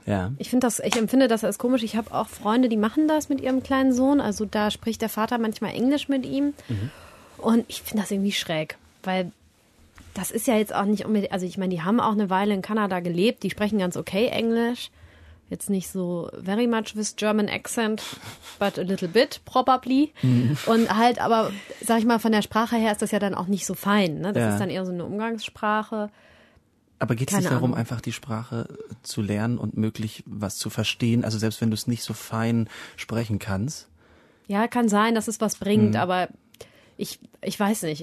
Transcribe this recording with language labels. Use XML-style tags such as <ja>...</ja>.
<de>Ja. Ich empfinde das als komisch. Ich habe auch Freunde, die machen das mit ihrem kleinen Sohn. Also da spricht der Vater manchmal Englisch mit ihm. Mhm. Und ich finde das irgendwie schräg, weil das ist ja jetzt auch nicht unbedingt, also ich meine, die haben auch eine Weile in Kanada gelebt, die sprechen ganz okay Englisch. jetzt nicht so</de> <en>very much with German accent, but a little bit probably.</en> <de>Und halt, aber sag ich mal, von der Sprache her ist das ja dann auch nicht so fein. Ne? Das ist dann eher so eine Umgangssprache. Aber geht es nicht darum, einfach die Sprache zu lernen und möglich was zu verstehen? Also selbst wenn du es nicht so fein sprechen kannst? Ja, kann sein, dass es was bringt, aber ich weiß nicht.</de>